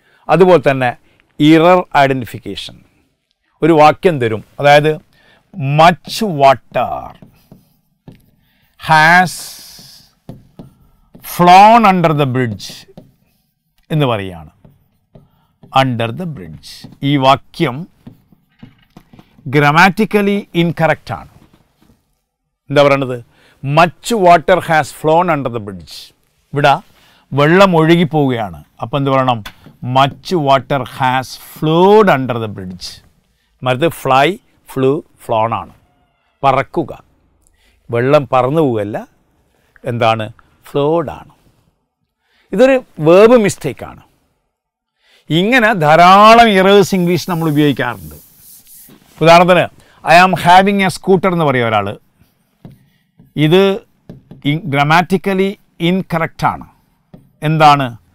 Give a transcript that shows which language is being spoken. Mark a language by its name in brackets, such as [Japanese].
[Malayalam] അതുപോലെ തന്നെ error identification. ഒരു വാക്യം തരും, അതായത് [English] much water has flown under the bridge [Malayalam] എന്ന് പറയുകയാണ്. [English] Under the bridge, [Malayalam] ഈ വാക്യം grammatically incorrect ആണ്. എന്താ പറയണത്? [English] Much water has flown under the bridge. [Malayalam] ഇവിടെ വെള്ളം ഒഴുകിപ്പോവുകയാണ്. അപ്പം എന്ത് പറയണം? [English] Much water has flowed under the bridge. [Malayalam] മറ്റത് [English] fly, flew, flown ആണ്. [Malayalam] പറക്കുക, വെള്ളം പറന്നു പോകല്ല, എന്താണ്, ഫ്ലോഡാണ്. ഇതൊരു വേർബ് മിസ്റ്റേക്കാണ്. ഇങ്ങനെ ധാരാളം ഇറേഴ്സ് ഇംഗ്ലീഷ് നമ്മൾ ഉപയോഗിക്കാറുണ്ട്. ഉദാഹരണത്തിന് [English] I am having a scooter [Malayalam] എന്ന് പറയും ഒരാൾ. ഇത് ഗ്രാമാറ്റിക്കലി ഇൻകറക്റ്റാണ്. എന്താണ്,